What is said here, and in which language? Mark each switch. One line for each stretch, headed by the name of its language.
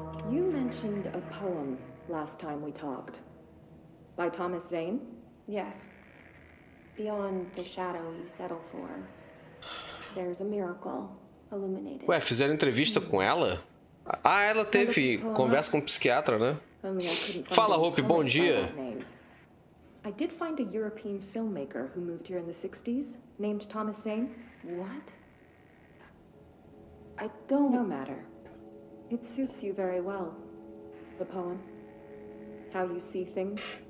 English: You mentioned a poem last time we talked. By Thomas Zane? Yes. Beyond the shadow you settle for, there's a miracle illuminated.
Portuguese: Ué, fizeram entrevista com ela? Ah, ela teve conversa com um psiquiatra, né? Fala, Hope, bom dia.
English: I did find a European filmmaker who moved here in the 60s, named Thomas Zane. What? I don't... No matter. It suits you very well, the poem. How you see things.